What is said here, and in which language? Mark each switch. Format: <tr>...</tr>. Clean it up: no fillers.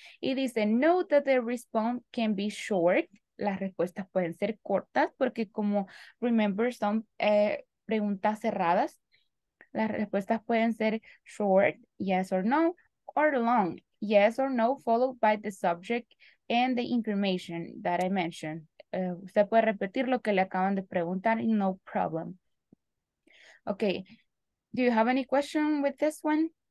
<en>Y dice, note that the response can be short.</en> <es>Las respuestas pueden ser cortas porque como, remember, son preguntas cerradas.</es> <en>Las respuestas pueden ser short, yes or no, or long, yes or no, followed by the subject and the information that I mentioned.</en> <es>Usted puede repetir lo que le acaban de preguntar y no problem.</es> <en>Okay, do you have any question with this one?</en>